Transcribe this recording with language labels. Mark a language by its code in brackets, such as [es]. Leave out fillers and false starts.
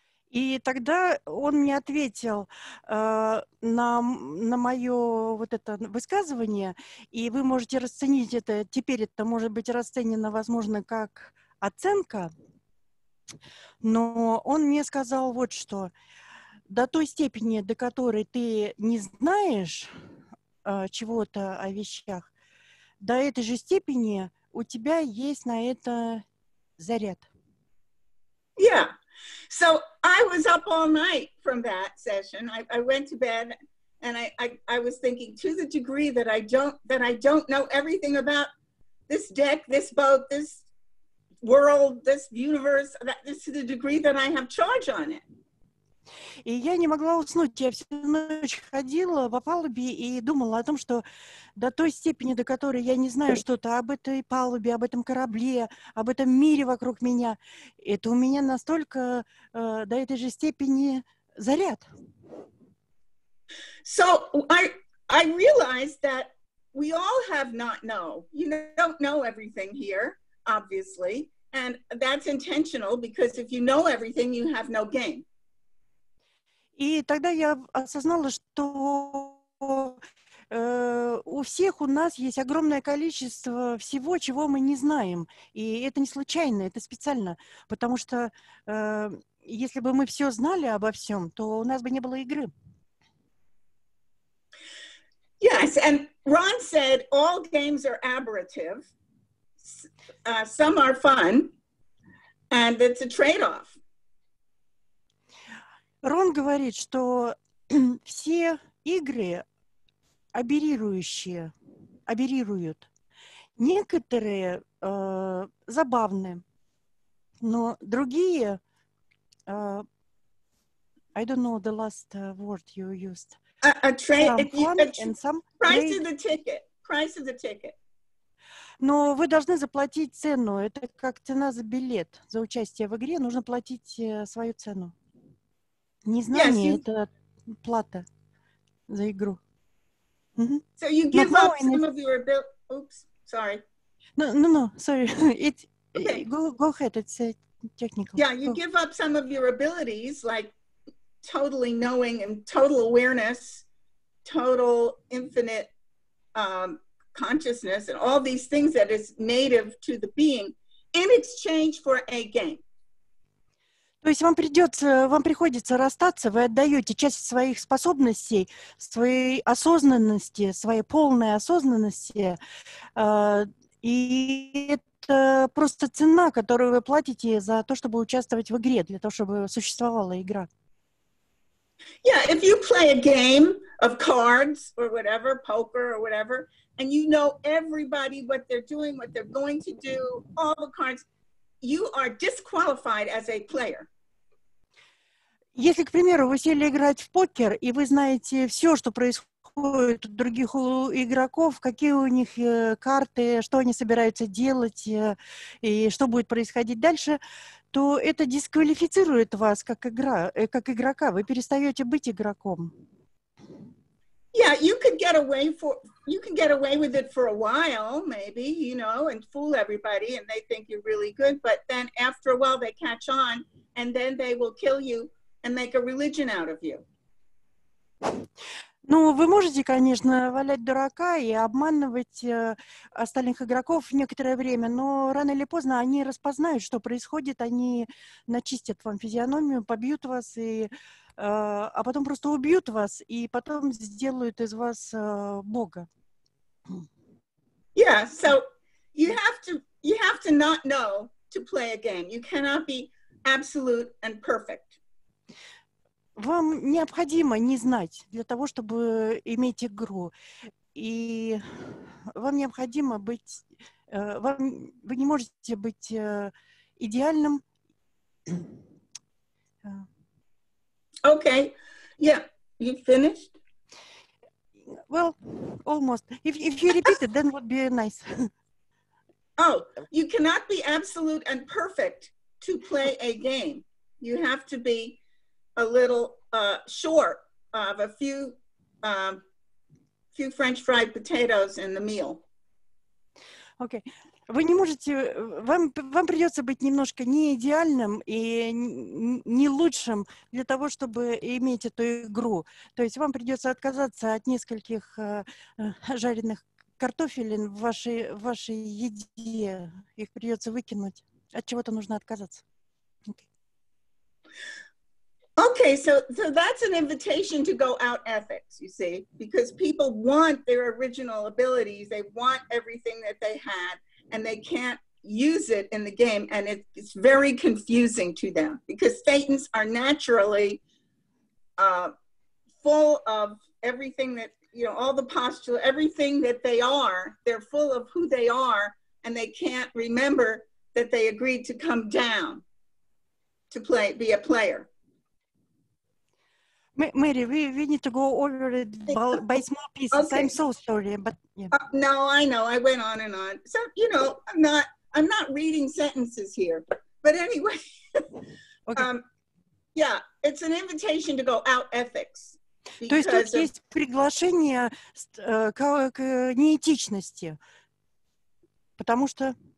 [ru] И тогда он мне ответил на мое вот это высказывание, и вы можете расценить это, теперь это может быть расценено, возможно, как оценка, но он мне сказал вот что. До той степени, до которой ты не знаешь чего-то о вещах, до этой же степени у тебя есть на это заряд. [en] Yeah. So I was up all night from that session. I went to bed and I was thinking, to the degree that I don't know everything about this deck, this boat, this world, this universe, that this is the degree that I have charge on it. [ru] И я не могла уснуть. Я всю ночь ходила по палубе и думала о том, что до той степени, до которой я не знаю что-то об этой палубе, об этом корабле, об этом мире вокруг меня, это у меня настолько до этой же степени заряд. [en] So I realized that we all have not know. You don't know everything here, obviously. And that's intentional, because if you know everything, you have no gain. [ru] И тогда я осознала, что у всех у нас есть огромное количество всего, чего мы не знаем. И это не случайно, это специально. Потому что если бы мы все знали обо всем, то у нас бы не было игры. [en] Yes, and Ron said all games are aberrative. Some are fun, and it's a trade-off. [ru] Рон говорит, что все игры аберрирующие, аберрируют. Некоторые забавны, но другие... [en] I don't know the last word you used. Price of the ticket. [ru] Но вы должны заплатить цену. Это как цена за билет, за участие в игре. Нужно платить свою цену. Незнание [en] yes, you... [ru] — это плата за игру. [en] So you give up some of your ability... Oops, sorry. No, sorry. Go ahead, it's technical. Yeah, you give up some of your abilities, like totally knowing and total awareness, total infinite consciousness, and all these things that is native to the being, in exchange for a game. [ru] То есть вам приходится расстаться, вы отдаете часть своих способностей, своей осознанности, своей полной осознанности, и это просто цена, которую вы платите за то, чтобы участвовать в игре, для того, чтобы существовала игра. [en] Yeah, if you play a game of cards or whatever, poker or whatever, and you know everybody what they're doing, what they're going to do, all the cards, you are disqualified as a player. [ru] Если, к примеру, вы сели играть в покер, и вы знаете все, что происходит у других игроков, какие у них карты, что они собираются делать, и что будет происходить дальше, то это дисквалифицирует вас как игрока. Вы перестаете быть игроком. [en] Yeah, you can get away with it for a while, maybe, you know, and fool everybody, and they think you're really good, but then after a while they catch on, and then they will kill you. And make a religion out of you. [ru] Ну, вы можете, конечно, валять дурака и обманывать остальных игроков некоторое время, но рано или поздно они распознают, что происходит, они начистят вам физиономию, побьют вас, а потом просто убьют вас, и потом сделают из вас бога. [en] Yeah, so you have to not know to play a game. You cannot be absolute and perfect. [ru] Вам необходимо не знать для того, чтобы иметь игру. И вам необходимо быть... Вы не можете быть идеальным. [en] Okay. Yeah. You finished? Well, almost. If you repeat it, then it would be nice. Oh, you cannot be absolute and perfect to play a game. You have to be a little short of a few French fried potatoes in the meal. Okay. [ru] Вы не можете, вам придется быть немножко не идеальным и не лучшим для того, чтобы иметь эту игру. То есть вам придется отказаться от нескольких жареных картофелин в вашей еде. Их придется выкинуть. От чего-то нужно отказаться. [en] Okay. Okay, so that's an invitation to go out ethics, you see, because people want their original abilities, they want everything that they had, and they can't use it in the game, and it's very confusing to them, because Thetans are naturally full of everything that, you know, all the postulates, everything that they are, they're full of who they are, and they can't remember that they agreed to come down to play, be a player. Mary, we need to go over it by small pieces. Okay. I'm so sorry, but yeah. No, I know. I went on and on. So, you know, I'm not reading sentences here. But anyway, it's an invitation to go out ethics. [ru] То есть тут есть приглашение к неэтичности, потому что...